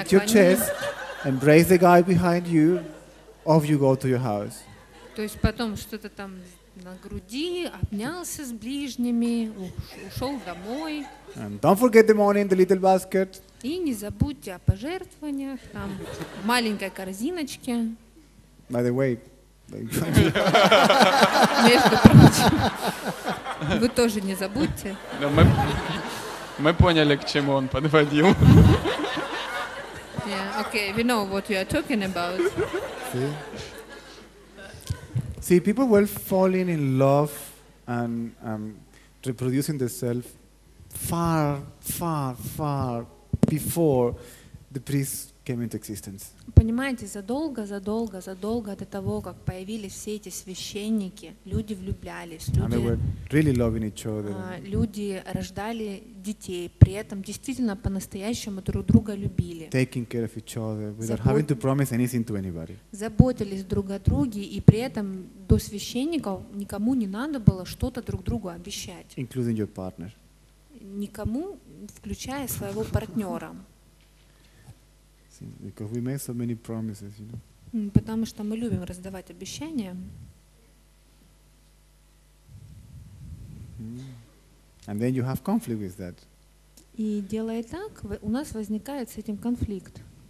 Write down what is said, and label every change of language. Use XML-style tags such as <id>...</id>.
<en>Hit your chest, embrace the guy behind you, off you go to your house.</en> <ru>То есть потом что-то там на груди, обнялся с ближними, ушел домой.</ru> <en>And don't forget the money in the little basket.</en> <ru>И не забудьте о пожертвованиях, там, в маленькой корзиночке.</ru> <en>By the way.</en> <ru>Между прочим. Вы тоже не забудьте. Да, мы поняли, к чему он подводил.</ru> <en>Yeah, okay, we know what you are talking about. See, people were falling in love and reproducing themselves far, far, far before the priest came into existence.</en> <ru>Понимаете, задолго до того, как появились все эти священники, люди влюблялись, люди,</ru> <en>and they were really loving each other.</en> <ru>Люди рождали детей, при этом действительно по-настоящему друг друга любили.</ru> <en>Taking care of each other without having to promise anything to anybody.</en> <ru>Заботились друг о друге, и при этом до священников никому не надо было что-то друг другу обещать.</ru> <en>Including your partner.</en> <ru>Никому, включая своего партнера.</ru> <en>Because we make so many promises, you know.</en> <ru>Потому что мы любим раздавать обещания.</ru> <en>And then you have conflict with that.</en> <ru>И делая так, у нас возникает с этим конфликт.</ru>